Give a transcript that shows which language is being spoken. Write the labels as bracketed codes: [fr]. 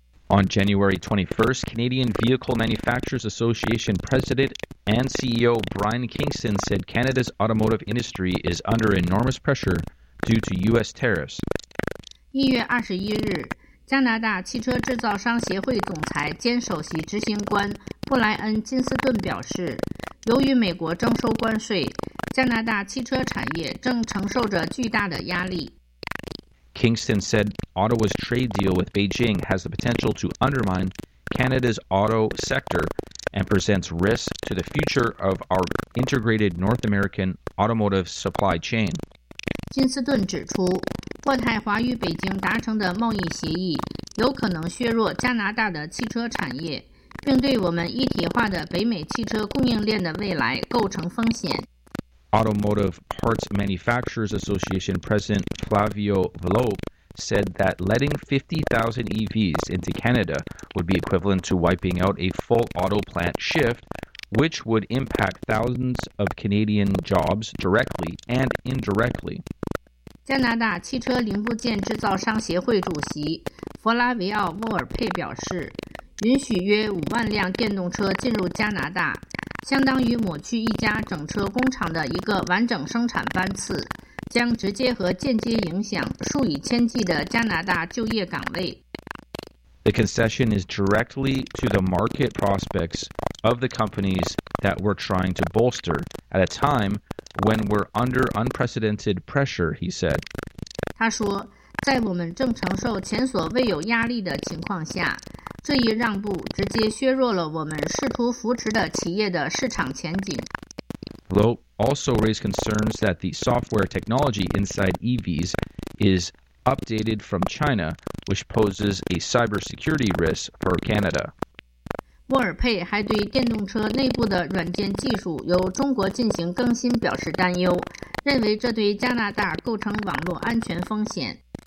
[en] On January 21st, Canadian Vehicle Manufacturers Association President and CEO Brian Kingston said Canada's automotive industry is under enormous pressure due to U.S. tariffs. [zh] 1月21日加拿大汽车制造商协会总裁兼首席执行官布莱恩·金斯顿表示，由于美国征收关税，加拿大汽车产业正承受着巨大的压力。 [en] Kingston said Ottawa's trade deal with Beijing has the potential to undermine Canada's auto sector and presents risks to the future of our integrated North American automotive supply chain. [zh] 金斯顿指出，渥太华与北京达成的贸易协议有可能削弱加拿大的汽车产业，并对我们一体化的北美汽车供应链的未来构成风险。 [en] Automotive Parts Manufacturers Association President Flavio Velo said that letting 50,000 EVs into Canada would be equivalent to wiping out a full auto plant shift, which would impact thousands of Canadian jobs directly and indirectly. [zh] 加拿大汽车零部件制造商协会主席弗拉维奥·沃尔佩表示，允许约五万辆电动车进入加拿大，相当于抹去一家整车工厂的一个完整生产班次，将直接和间接影响数以千计的加拿大就业岗位。 [en] The concession is directly to the market prospects of the companies that we're trying to bolster at a time when we're under unprecedented pressure, he said. [zh] 他说，在我们正承受前所未有压力的情况下，这一让步直接削弱了我们试图扶持的企业的市场前景。 [en] Loeb also raised concerns that the software technology inside EVs is updated from China, which poses a cybersecurity risk for Canada. [zh] 沃尔佩还对电动车内部的软件技术由中国进行更新表示担忧，认为这对加拿大构成网络安全风险。